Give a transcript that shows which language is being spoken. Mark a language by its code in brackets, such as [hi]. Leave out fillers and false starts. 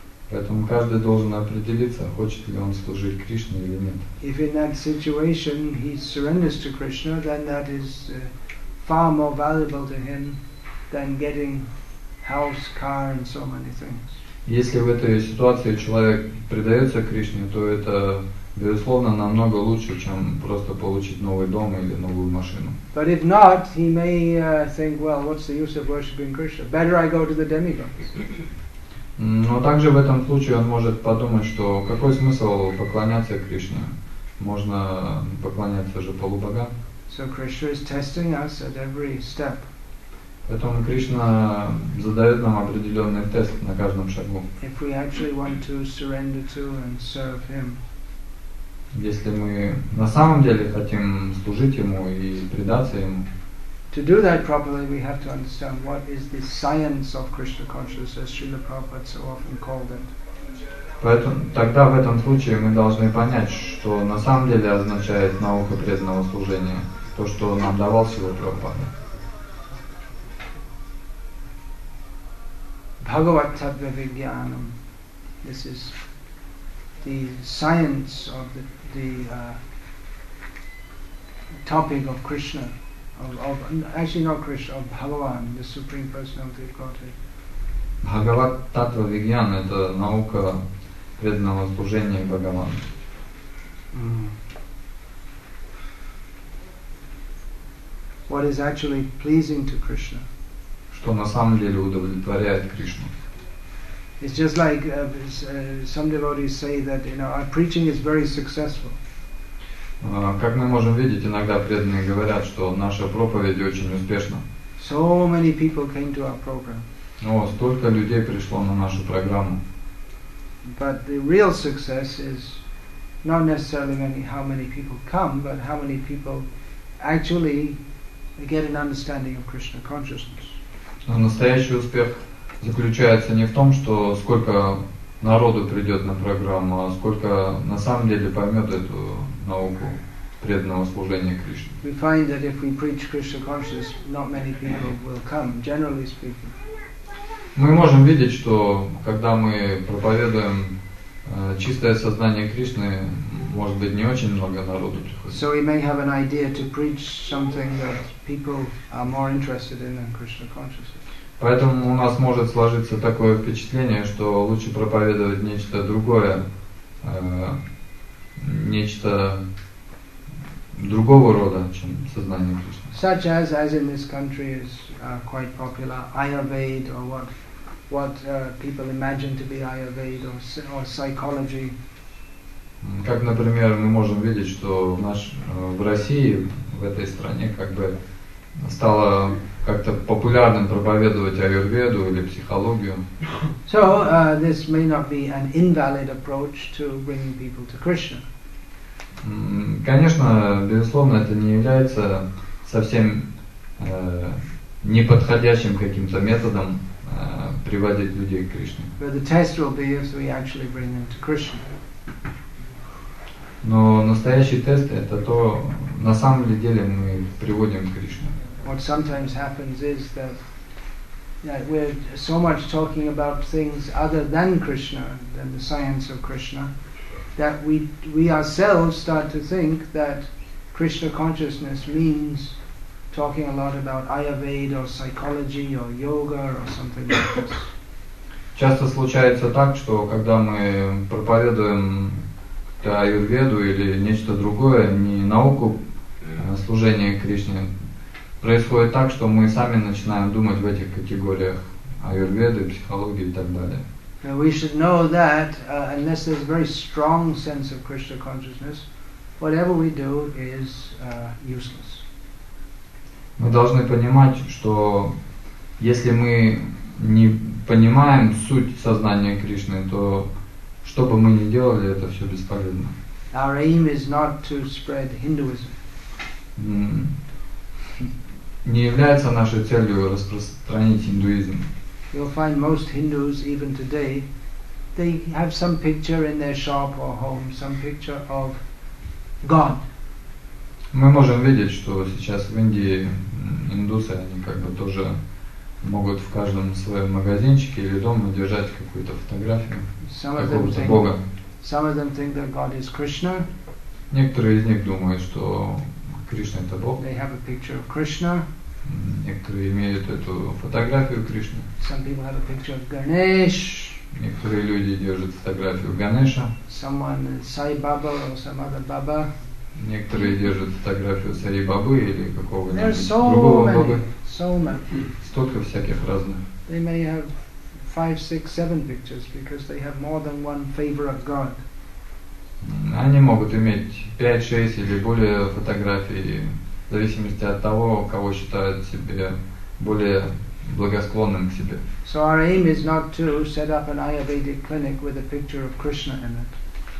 [ru] Поэтому каждый должен определиться, хочет ли он служить Кришне или нет. [en] If in that situation he surrenders to Krishna, then that is far more valuable to him than getting house, car, and so many things. [ru] Если в этой ситуации человек предается Кришне, то это безусловно намного лучше, чем просто получить новый дом или новую машину. [en] But if not, he may think, well, what's the use of worshiping Krishna? Better I go to the demigods. [ru] Но также в этом случае он может подумать, что какой смысл поклоняться Кришне? Можно поклоняться же полубогам. [en] So Krishna is testing us at every step. [ru] Поэтому Кришна задает нам определенный тест на каждом шагу. [en] If we actually want to surrender to and serve him. [ru] Если мы на самом деле хотим служить ему и предаться ему. [en] To do that properly, we have to understand what is the science of Krishna consciousness, as Srila Prabhupada so often called it. [ru] Поэтому тогда в этом случае мы должны понять, что на самом деле означает наука преданного служения, то, что нам давал Сила Прабхупада. [sa] Bhagavatattva vijnanam. [en] This is the science of the topic of Krishna. Of Bhagavan, the Supreme Personality of Godhead. [sa] Bhagavatattva vijnanam [ru] — это наука преданного служения Бхагавану. [en] What is actually pleasing to Krishna? [ru] Что на самом деле удовлетворяет Кришну? [en] It's just like some devotees say that, you know, our preaching is very successful. [ru] Как мы можем видеть, иногда преданные говорят, что наша проповедь очень успешна. [en] So many people came to our program. [ru] О, столько людей пришло на нашу программу. [en] But the real success is not necessarily how many people come, but how many people actually get an understanding of Krishna consciousness. [ru] Но настоящий успех заключается не в том, что сколько народу придет на программу, а сколько на самом деле поймет эту науку преданного служения Кришне. [en] We find that if we preach Krishna consciousness, not many people will come, generally speaking. [ru] Мы можем видеть, что когда мы проповедуем чистое сознание Кришны, может быть, не очень много народу приходит. [en] So we may have an idea to preach something that people are more interested in than Krishna consciousness. [ru] Поэтому у нас может сложиться такое впечатление, что лучше проповедовать нечто другое, нечто другого рода, чем сознание Кришны. [en] Such as in this country is quite popular, Ayurveda, or what people imagine to be Ayurveda or psychology. [ru] Как, например, мы можем видеть, что в России, в этой стране, как бы стало как-то популярным проповедовать Аюрведу или психологию. [en] So, this may not be an invalid approach to bringing people to Krishna. [ru] Конечно, безусловно, это не является совсем неподходящим каким-то методом приводить людей к Кришне. [en] But the test will be if we actually bring them to Krishna. [ru] Но настоящий тест — это то, на самом ли деле мы приводим к Кришне. [en] What sometimes happens is that, you know, we're so much talking about things other than Krishna, than the science of Krishna, that we ourselves start to think that Krishna consciousness means talking a lot about Ayurveda or psychology or yoga or something like this. [ru] Часто случается так, что когда мы проповедуем Аюрведу или нечто другое, не науку служения Кришне, происходит так, что мы сами начинаем думать в этих категориях Аюрведы, психологии и так далее. [en] We should know that unless there's a very strong sense of Krishna consciousness, whatever we do is useless. [ru] Мы должны понимать, что если мы не понимаем суть сознания Кришны, то что бы мы ни делали, это все бесполезно. [en] Our aim is not to spread Hinduism. [ru] Не является нашей целью распространить индуизм. [en] You'll find most Hindus, even today, they have some picture in their shop or home, some picture of God. [ru] Мы можем видеть, что сейчас в Индии индусы, они как бы тоже могут в каждом своем магазинчике или доме держать какую-то фотографию какого-то Бога. [en] Some of them think that God is Krishna. [ru] Некоторые из них думают, что Кришна — это Бог. [en] They have a picture of Krishna. [ru] Некоторые имеют эту фотографию Кришны. [en] Some people have a picture of Ganesh. [ru] Некоторые люди держат фотографию Ганеша. [en] Someone Sai Baba or some other Baba. [ru] Некоторые держат фотографию Сари Бабы или какого-нибудь [en] There's [ru] другого Бога. [en] So many. [ru] Столько всяких разных. [en] They may have five, six, seven pictures because they have more than one favor of God. [ru] Они могут иметь 5, 6 или более фотографий, в зависимости от того, кого считают себе более благосклонным к себе. [en] So our aim is not to set up an Ayurvedic clinic with a picture of Krishna in it.